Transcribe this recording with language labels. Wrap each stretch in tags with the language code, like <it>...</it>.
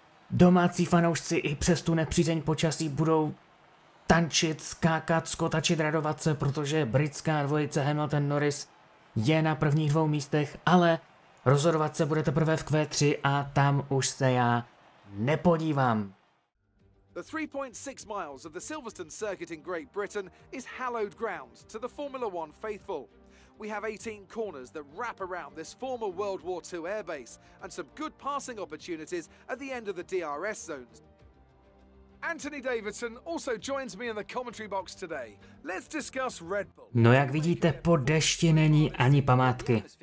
<cs>Domácí fanoušci i přes tu nepřízeň počasí budou tančit, skákat, skotačit, radovat se, protože britská dvojice Hamilton Norris je na prvních dvou místech, ale rozhodovat se bude teprve v Q3 a tam už se já nepodívám.</cs> <en>The 3.6 miles of the Silverstone circuit in Great Britain is hallowed ground to the Formula One faithful. We have 18 corners that wrap around this former World War II airbase and some good passing opportunities at the end of the DRS zones. Anthony Davidson also joins me in the commentary box today. Let's discuss Red Bull.</en> <cs>No jak vidíte, po dešti není ani památky.</cs>